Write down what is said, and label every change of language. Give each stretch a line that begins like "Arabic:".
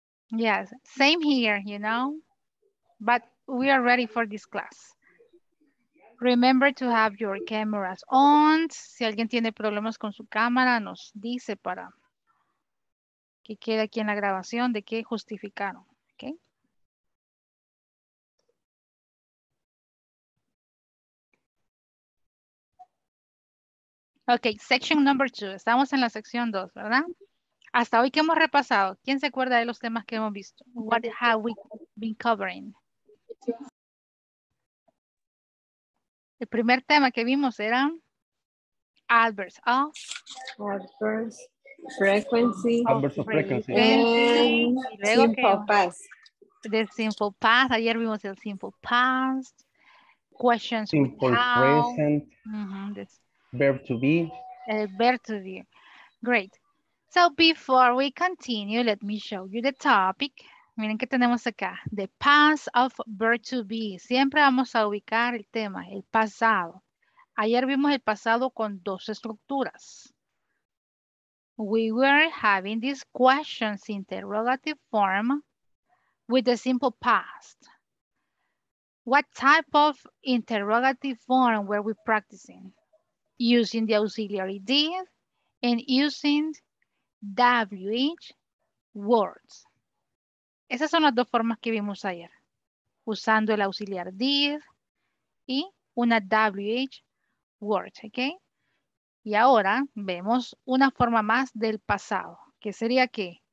English: Yes, same here, you know, but we are ready for this class. Remember to have your cameras on.
Spanish: Si alguien tiene problemas con su cámara, nos dice para que quede aquí en la grabación de que justificaron, okay?
English: Okay, section number two.
Spanish: Estamos en la sección dos, ¿verdad? Hasta hoy, ¿qué hemos repasado? ¿Quién se acuerda de los temas que hemos visto?
English: What have we been covering?
Spanish: El primer tema que vimos era adverbs of.
English: Adverbs, frequency. Adverbs of frequency.
Spanish: Luego simple past.
English: The simple past.
Spanish: Ayer vimos el
English: simple past. Questions simple with how. Present. Verb to be. Verb to be. Great. So before we continue, let me show you the topic.
Spanish: Miren que tenemos acá,
English: the past of verb to be.
Spanish: Siempre vamos a ubicar el tema, el pasado. Ayer vimos el pasado con dos estructuras.
English: We were having these questions interrogative form with the simple past. What type of interrogative form were we practicing? Using the auxiliary did and using WH words.
Spanish: Esas son las dos formas que vimos ayer. Usando el auxiliar did y una WH word, ¿ok? Y ahora vemos una forma más del pasado, que sería ¿qué?